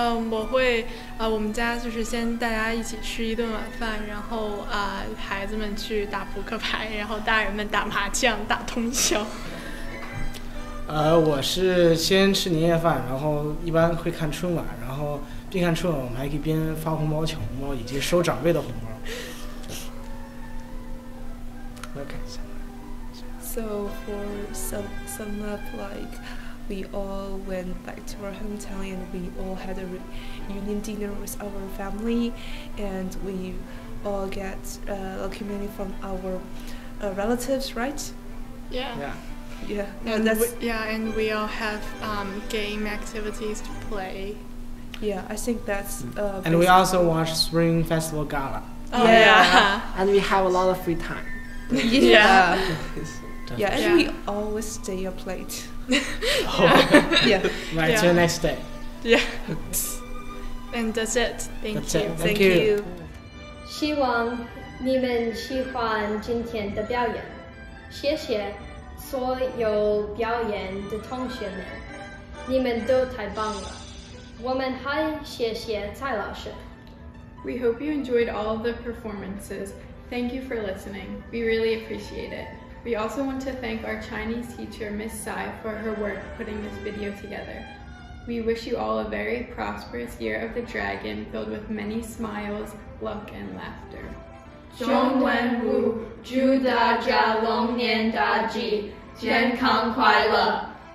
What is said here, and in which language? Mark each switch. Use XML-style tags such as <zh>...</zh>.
<zh>我会我们家就是先大家一起吃一顿晚饭，然后孩子们去打扑克牌，然后大人们打麻将打通宵。我是先吃年夜饭，然后一般会看春晚，然后边看春晚我们还可以边发红包抢红包以及收长辈的红包。</zh> <en>So for sum up like,we all went back to our hometown and we all had a reunion dinner with our family, and we all get lucky money from our relatives, right? Yeah. And and we all have game activities to play. Yeah, I think that's... And we also watch Spring Festival Gala. And we have a lot of free time. Yeah, and we always stay up late. Right, till next day. Yeah. And that's it. Thank you.</en> <zh>希望你们喜欢今天的表演。谢谢所有表演的同学们，你们都太棒了。我们还谢谢蔡老师。</zh> <en>We hope you enjoyed all of the performances. Thank you for listening. We really appreciate it. We also want to thank our Chinese teacher, Ms. Tsai, for her work putting this video together. We wish you all a very prosperous year of the dragon filled with many smiles, luck, and laughter.</en> <zh>中文武祝大家龙年大吉健康快乐</zh>